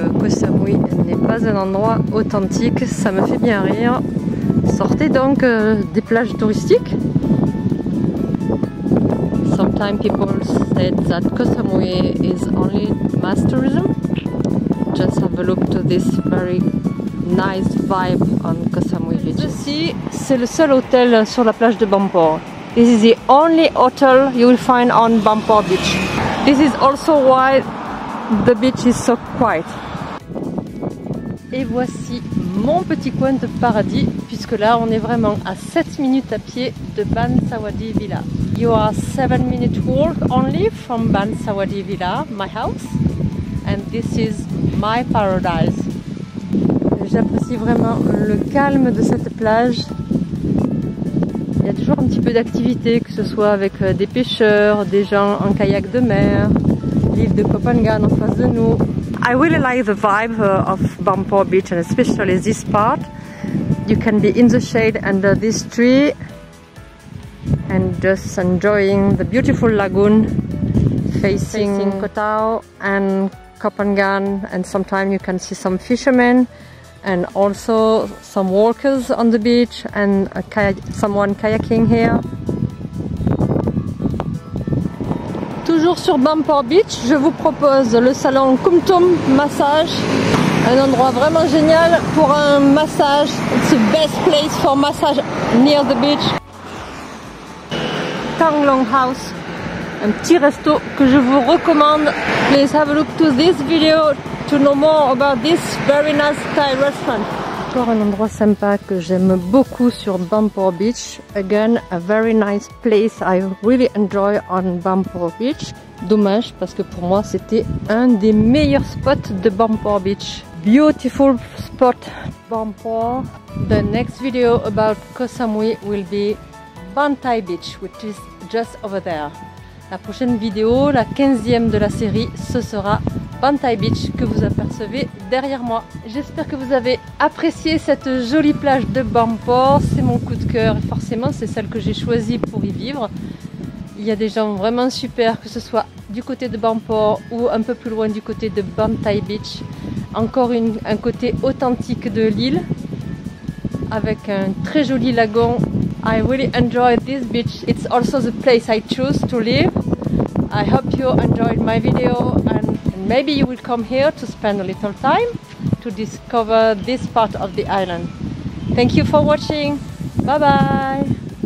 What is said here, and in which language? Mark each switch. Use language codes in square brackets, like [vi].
[fr] Samui n'est pas un endroit authentique, ça me fait bien rire. Sortez donc des plages touristiques. [en] Sometimes people said that Koh Samui is only mass tourism. Just have a look to this very nice vibe on Koh Samui beach. [fr] Ceci, c'est le seul hôtel sur la plage de Banport. [en] This is the only hotel you will find on Banport beach. This is also why the beach is so quiet. [fr] Et voici mon petit coin de paradis, puisque là on est vraiment à 7 minutes à pied de Ban Sawadi Villa. [en] You are 7 minutes walk only from Ban Sawadi Villa, my house, and this is my paradise. [fr] J'apprécie vraiment le calme de cette plage. Il y a toujours un petit peu d'activité, que ce soit avec des pêcheurs, des gens en kayak de mer, l'île de Koh Phangan en face de nous. [en] I really like the vibe of Banport Beach, and especially this part. You can be in the shade under this tree and just enjoying the beautiful lagoon facing Koh Tao and Koh Phangan, and sometimes you can see some fishermen and also some walkers on the beach and someone kayaking here. [fr] Toujours sur Banport Beach, je vous propose le salon Kum Tum Massage, un endroit vraiment génial pour un massage. [en] It's the best place for massage near the beach. Tang Long House, [fr] un petit resto que je vous recommande. [en] Please have a look to this video to know more about this very nice Thai restaurant. [fr] Encore un endroit sympa que j'aime beaucoup sur Bampur Beach. [en] Again, a very nice place I really enjoy on Bampur Beach. [fr] Dommage parce que pour moi c'était un des meilleurs spots de Bampur Beach. [en] Beautiful spot Bampur. The next video about Koh Samui will be Bantai Beach, which is just over there. [fr] La prochaine vidéo, la 15e de la série, ce sera Bantai Beach que vous apercevez derrière moi. J'espère que vous avez apprécié cette jolie plage de Bampur. C'est mon coup de cœur et forcément c'est celle que j'ai choisie pour y vivre. Il y a des gens vraiment super, que ce soit du côté de Bampur ou un peu plus loin du côté de Bantai Beach. Encore un côté authentique de l'île avec un très joli lagon. [en] I really enjoy this beach. It's also the place I chose to live. I hope you enjoyed my video and maybe you will come here to spend a little time to discover this part of the island. Thank you for watching. Bye bye.